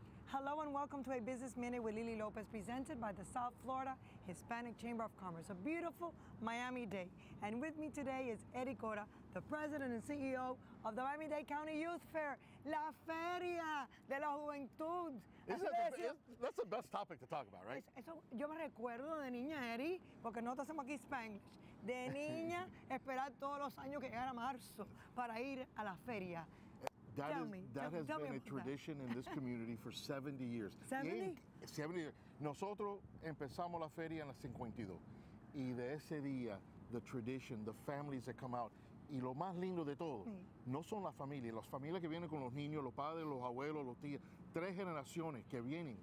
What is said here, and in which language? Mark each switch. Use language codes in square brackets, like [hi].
[en] Hello and welcome to a Business Minute with Lily Lopez, presented by the South Florida Hispanic Chamber of Commerce, a beautiful Miami-Dade. And with me today is Eddie Cora, the president and CEO of the Miami-Dade County Youth Fair, La Feria de la Juventud. That's the best topic to talk about, right? [es] Eso, yo me recuerdo de niña, Eddie, porque nosotros hacemos aquí Spanglish. De niña, esperar todos los años que llegara marzo para ir a la feria. [en] That has been a tradition in this community for 70 years. 70 years. [es] Nosotros empezamos la feria en el 52. Y de ese día, [en] the tradition, the families that come out, [es] y lo más lindo de todo, no son las familias que vienen con los niños, los padres, los abuelos, los tíos, tres generaciones que vienen.